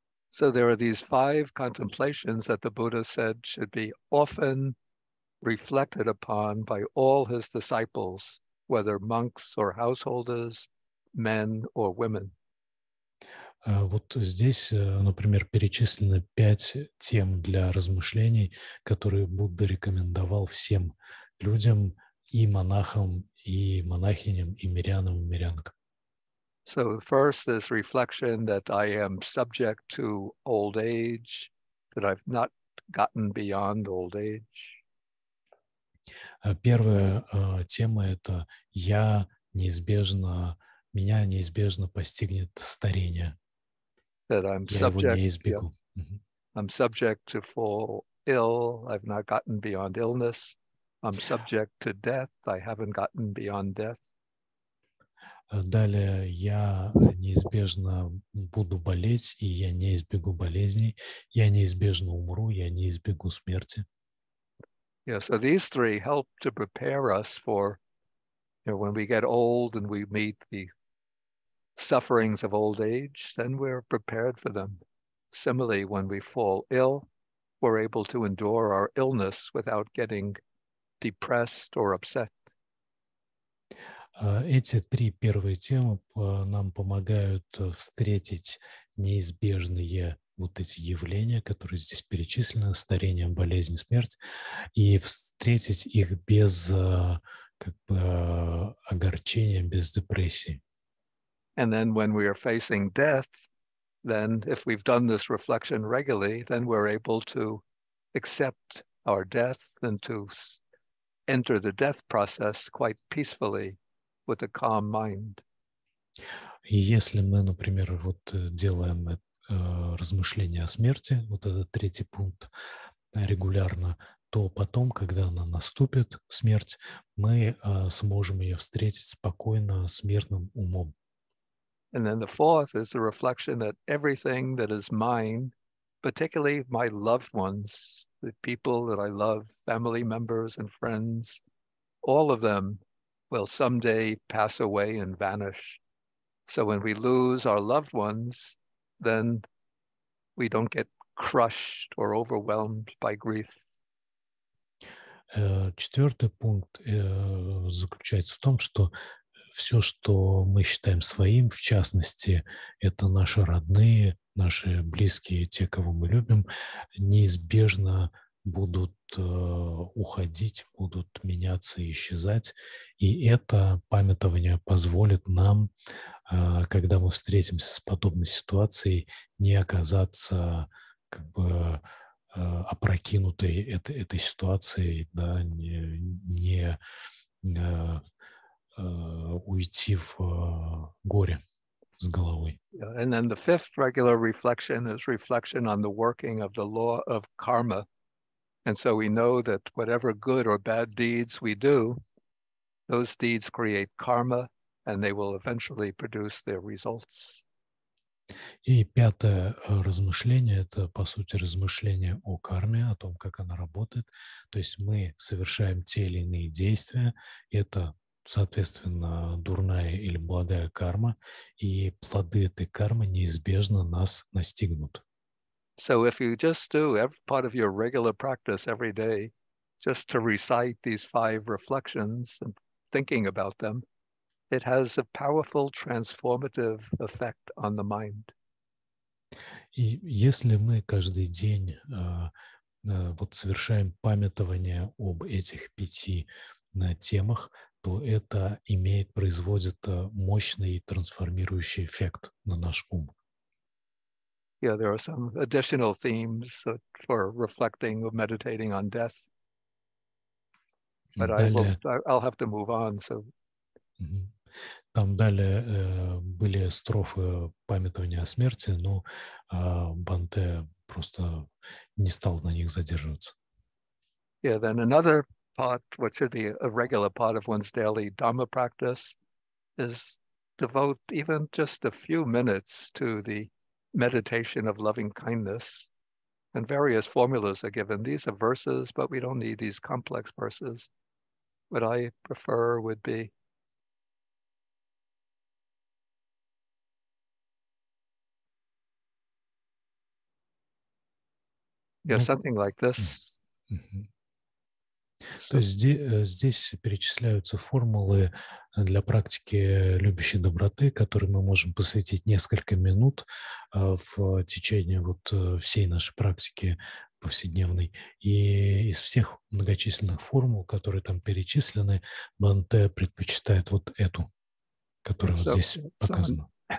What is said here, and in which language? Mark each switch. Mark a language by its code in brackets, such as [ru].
[en] So there are these five contemplations that the Buddha said should be often reflected upon by all his disciples, whether monks or householders, men or women. [ru] Вот здесь, например, перечислены пять тем для размышлений, которые Будда рекомендовал всем людям, и монахам, и монахиням, и мирянам, и мирянкам. [en] So first this reflection that I am subject to old age, that I've not gotten beyond old age. [ru] Первая тема – это «я неизбежно, меня неизбежно постигнет старение». [en] That I'm subject, I'm subject to fall ill. I've not gotten beyond illness. I'm subject to death. I haven't gotten beyond death. [ru] Далее я неизбежно буду болеть, и я не избегу болезней. Я неизбежно умру, я не избегу смерти. [en] Yeah, so these three help to prepare us for, you know, when we get old and we meet the sufferings of old age, then we're prepared for them. Similarly, when we fall ill, we're able to endure our illness without getting depressed or upset. [ru] Эти три первые темы нам помогают встретить неизбежные вот эти явления, которые здесь перечислены, старение, болезнь, смерть, и встретить их без как бы, огорчения, без депрессии. [en] And then when we are facing death, then if we've done this reflection regularly, then we're able to accept our death and to enter the death process quite peacefully with a calm mind. [ru] Если мы, например, вот делаем размышления о смерти, вот этот третий пункт регулярно, то потом, когда она наступит, смерть, мы сможем ее встретить спокойно, с мирным умом. [en] And then the fourth is the reflection that everything that is mine, particularly my loved ones, the people that I love, family members and friends, all of them will someday pass away and vanish. So when we lose our loved ones, then we don't get crushed or overwhelmed by grief. [ru] Четвертый пункт заключается в том, что все, что мы считаем своим, в частности, это наши родные, наши близкие, те, кого мы любим, неизбежно будут уходить, будут меняться и исчезать. И это памятование позволит нам, когда мы встретимся с подобной ситуацией, не оказаться как бы опрокинутой этой ситуацией, да, уйти в горе с головой. [en] And then the fifth regular reflection is reflection on the working of the law of karma. And so we know that whatever good or bad deeds we do, those deeds create karma, and they will eventually produce their results. [ru] И пятое размышление – это, по сути, размышление о карме, о том, как она работает. То есть мы совершаем те или иные действия, это, соответственно, дурная или благая карма, и плоды этой кармы неизбежно нас настигнут. [en] So if you just do every part of your regular practice every day, just to recite these five reflections and thinking about them, it has a powerful transformative effect on the mind. [ru] И если мы каждый день вот совершаем памятование об этих пяти темах, то это имеет, производит мощный трансформирующий эффект на наш ум. [en] Yeah, there are some additional themes for reflecting or meditating on death. But I'll have to move on, so... [ru] Там далее были строфы памятования о смерти, но Банте просто не стал на них задерживаться. [en] Yeah, then another part, which should be a regular part of one's daily Dhamma practice, is devote even just a few minutes to the meditation of loving kindness. And various formulas are given. These are verses, but we don't need these complex verses. What I prefer would be yeah, something like this. [ru] То есть здесь перечисляются формулы для практики любящей доброты, которые мы можем посвятить несколько минут в течение вот всей нашей практики повседневной. И из всех многочисленных формул, которые там перечислены, Банте предпочитает вот эту, которая вот здесь показана.